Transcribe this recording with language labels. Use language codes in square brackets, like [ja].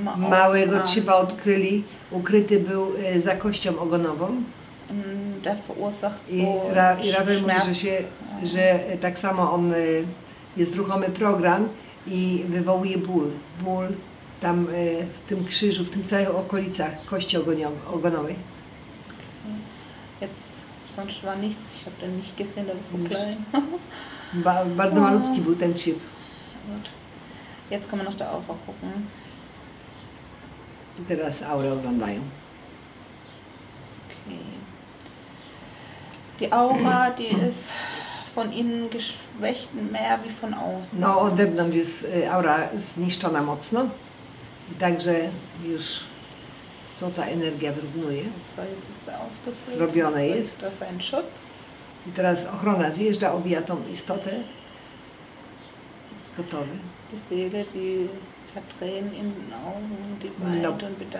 [pl] Małego chipa odkryli. Ukryty był za kością ogonową. [de] Der verursacht so [pl] i Rafael mówi, że, się, że tak samo on jest ruchomy program i wywołuje ból. Ból tam w tym krzyżu, w tym całych okolicach kości ogonowej. [de] Jetzt sonst war nichts, ich habe den nicht gesehen, der war so klein. [pl] Bardzo malutki był ten chip. [de] Jetzt kann man noch der Aura gucken. [pl] I teraz aurę oglądają. [de] Die Aura, die ist von innen geschwächt mehr wie von außen. [pl] No, od wewnątrz jest aura zniszczona mocno. I także już złota energia wyrównuje. [de] So, jetzt ist sie aufgefüllt. [pl] Zrobione jest. [de] Das ist ein Schutz. [pl] I teraz ochrona zjeżdża, obija tą istotę. Jest gotowy. [de] Die Seele, die hat Tränen in den Augen, die weint und bedankt.